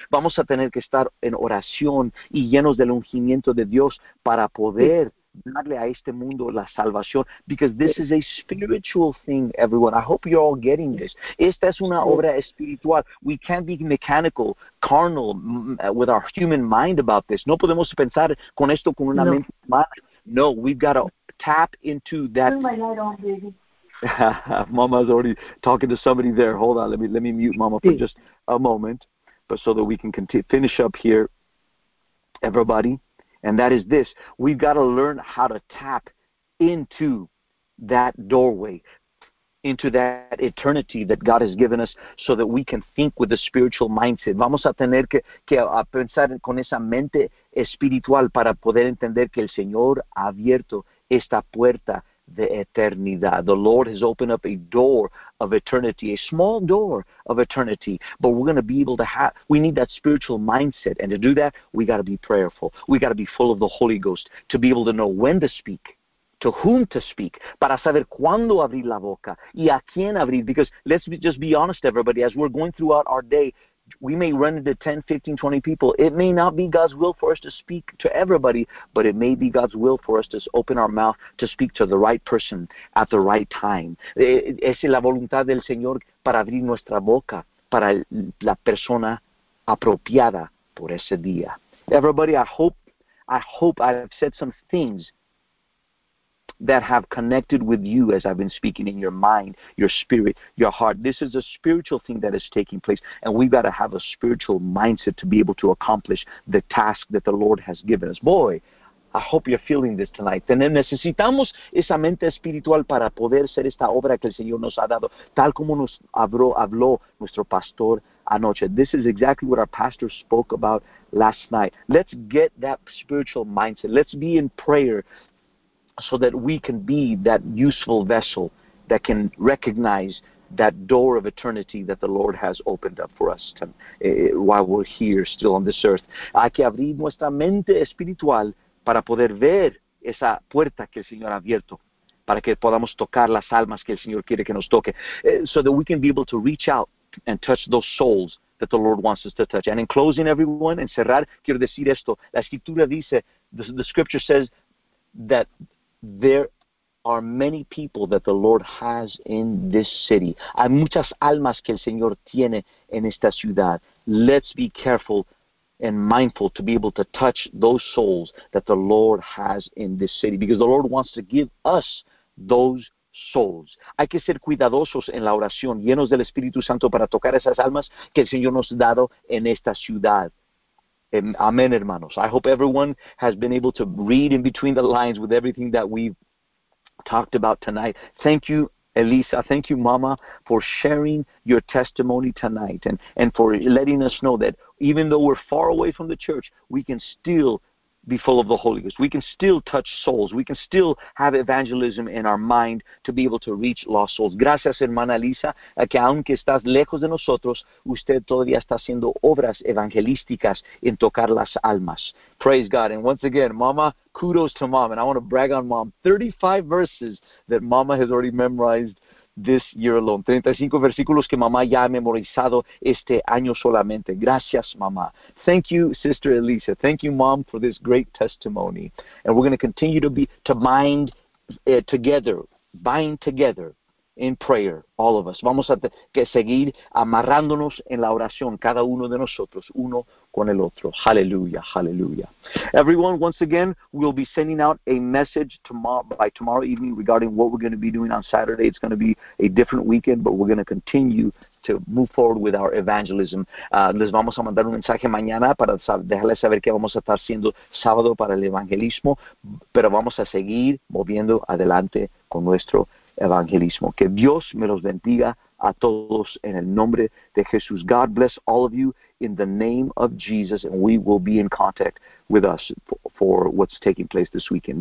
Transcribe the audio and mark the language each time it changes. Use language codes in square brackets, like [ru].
[es] Vamos a tener que estar en oración y llenos del ungimiento de Dios para poder darle a este mundo la salvación. [en] Because this is a spiritual thing, everyone. I hope you're all getting this. [es] Esta es una obra espiritual. [en] We can't be mechanical, carnal, with our human mind about this. [es] No podemos pensar con esto con una mente humana. [en] No, we've got to tap into that. Turn my light on, baby. Mama's already talking to somebody there. Hold on, let me mute Mama for just a moment, but so that we can finish up here, everybody. And that is this, we've got to learn how to tap into that doorway, into that eternity that God has given us, so that we can think with the spiritual mindset. [es] Vamos a tener que a pensar con esa mente espiritual para poder entender que el Señor ha abierto esta puerta de eternidad. [en] The Lord has opened up a door of eternity, a small door of eternity, but we're going to be able to have, we need that spiritual mindset, and to do that, we got to be prayerful. We got to be full of the Holy Ghost to be able to know when to speak, to whom to speak, [es] para saber cuándo abrir la boca y a quién abrir, [en] because let's just be honest, everybody, as we're going throughout our day, we may run into 10, 15, 20 people. It may not be God's will for us to speak to everybody, but it may be God's will for us to open our mouth to speak to the right person at the right time. [es] Es la voluntad del Señor para abrir nuestra boca para la persona apropiada por ese día. [en] Everybody, I hope I've said some things that have connected with you as I've been speaking in your mind, your spirit, your heart. This is a spiritual thing that is taking place, and we've got to have a spiritual mindset to be able to accomplish the task that the Lord has given us. Boy, I hope you're feeling this tonight. [es] Necesitamos esa mente espiritual para poder hacer esta obra que el Señor nos ha dado, tal como nos habló nuestro pastor anoche. [en] This is exactly what our pastor spoke about last night. Let's get that spiritual mindset. Let's be in prayer, so that we can be that useful vessel that can recognize that door of eternity that the Lord has opened up for us while we're here still on this earth. [es] Hay que abrir nuestra mente espiritual para poder ver esa puerta que el Señor ha abierto, para que podamos tocar las almas que el Señor quiere que nos toque, [en] so that we can be able to reach out and touch those souls that the Lord wants us to touch. And in closing, everyone, [es] en cerrar, quiero decir esto. La Escritura dice, [en] the Scripture says that there are many people that the Lord has in this city. [es] Hay muchas almas que el Señor tiene en esta ciudad. [en] Let's be careful and mindful to be able to touch those souls that the Lord has in this city, because the Lord wants to give us those souls. [es] Hay que ser cuidadosos en la oración, llenos del Espíritu Santo para tocar esas almas que el Señor nos ha dado en esta ciudad. Amén, hermanos. [en] I hope everyone has been able to read in between the lines with everything that we've talked about tonight. Thank you, Elisa. Thank you, Mama, for sharing your testimony tonight and for letting us know that even though we're far away from the church, we can still be full of the Holy Ghost. We can still touch souls. We can still have evangelism in our mind to be able to reach lost souls. [es] Gracias, hermana Lisa, a que aunque estás lejos de nosotros, usted todavía está haciendo obras evangelísticas en tocar las almas. [en] Praise God. And once again, Mama, kudos to Mom. And I want to brag on Mom. 35 verses that Mama has already memorized this year alone. [es] 35 versículos que mamá ya ha memorizado este año solamente. Gracias, mamá. [en] Thank you, Sister Elisa. Thank you, Mom, for this great testimony. And we're going to continue to bind together in prayer, all of us. [es] Vamos a seguir amarrándonos en la oración, cada uno de nosotros, uno con el otro. [en] Hallelujah, hallelujah. Everyone, once again, we'll be sending out a message by tomorrow evening regarding what we're going to be doing on Saturday. It's going to be a different weekend, but we're going to continue to move forward with our evangelism. [es] Les vamos a mandar un mensaje mañana para dejarles saber qué vamos a estar haciendo sábado para el evangelismo, pero vamos a seguir moviendo adelante con nuestro evangelismo. Que Dios me los bendiga a todos en el nombre de Jesús. [en] God bless all of you in the name of Jesus, and we will be in contact with us for what's taking place this weekend.